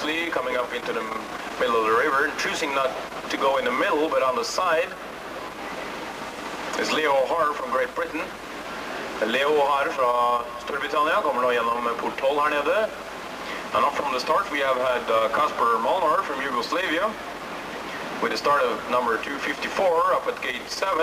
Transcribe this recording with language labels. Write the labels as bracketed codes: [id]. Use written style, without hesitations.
[en] Coming up into the middle of the river, choosing not to go in the middle but on the side is Leo Har from Great Britain. [no] Leo Har from Storbritannia kommer nå gjennom port 12 her nede. [en] And off from the start we have had Kasper Molnar from Yugoslavia with the start of number 254 up at gate 7.